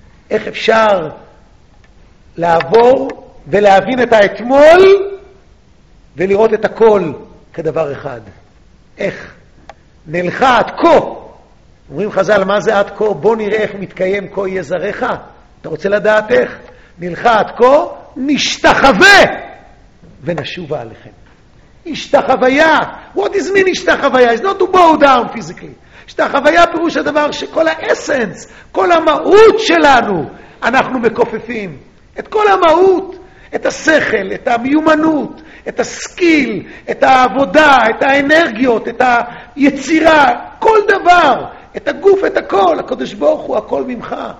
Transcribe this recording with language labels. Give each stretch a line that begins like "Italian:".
Hebrew: איך אפשר לעבור ולהבין את האתמול, ולראות את הכל כדבר אחד. איך? נלך עד כה. אומרים חזל, מה זה עד כה? בוא נראה איך מתקיים כה יהיה זרעך. אתה רוצה לדעת איך? נלך עד כה, נשתחווה ונשובה עליכם. השתחוויה.
English: What is mean השתחוויה? It's not to bow down physically.
Hebrew: השתחוויה פירוש הדבר שכל האסנס, כל המהות שלנו, אנחנו מקופפים. את כל המהות, את השכל, את המיומנות, את הסקיל, את העבודה, את האנרגיות, את היצירה, כל דבר, את הגוף, את הכל, הקדוש ברוך הוא, הכל ממך.